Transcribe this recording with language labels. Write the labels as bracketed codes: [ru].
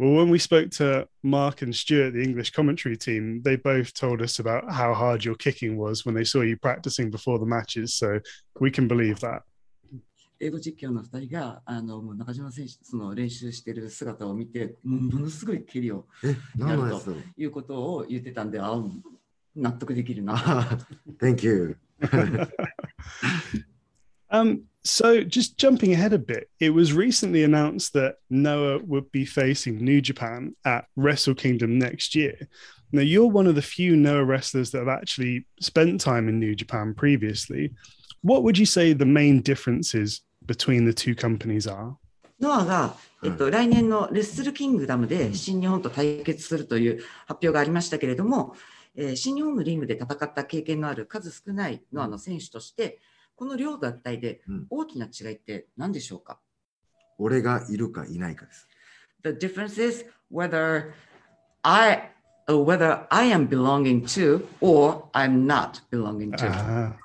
[en] Well, when we spoke to Mark and Stuart, the English commentary team, they both told us about how hard your kicking was when they saw you practicing before the matches. So we can believe that. [ja] 英語実況の2人があの中島選手の練習している姿を見て、ものすごい蹴りをやるということを言ってたんで、あ、納得できるな。 [en] Thank you. So just jumping ahead a bit, it was recently announced that Noah would be facing New Japan at Wrestle Kingdom next year. Now, you're one of the few Noah wrestlers that have actually spent time in New Japan previously. What would you say the main differences between the two companies are? [ja] Noah が、来年のレッスルキングダムで新日本と対決するという発表がありましたけれども、新日本のリングで戦った経験のある数少ないノアの選手として、この両団体で大きな違いって何でしょうか？俺がいるかいないかです。 [en] The difference is whether I am belonging to or I'm not belonging to.